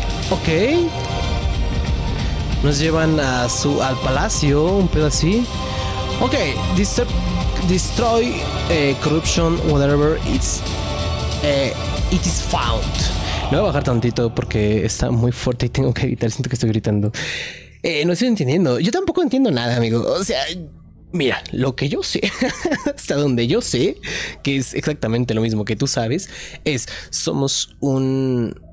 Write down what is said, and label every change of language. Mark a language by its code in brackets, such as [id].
[en] Ok. [es] Nos llevan a su al palacio, un pedo así. [en] Ok, destroy corruption, whatever it's it is found. [es] Me voy a bajar tantito porque está muy fuerte y tengo que gritar. Siento que estoy gritando. No estoy entendiendo. Yo tampoco entiendo nada, amigo. O sea. Mira, lo que yo sé, hasta donde yo sé, que es exactamente lo mismo que tú sabes, es somos un...